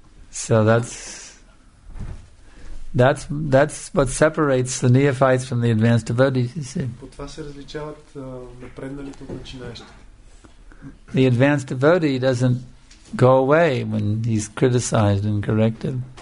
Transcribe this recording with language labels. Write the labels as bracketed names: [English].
[English] So that's what separates the neophytes from the advanced devotees, you see. [Bulgarian] По това се различават напредналите от начинаещите. [English] The advanced devotee doesn't go away when he's criticized and corrected.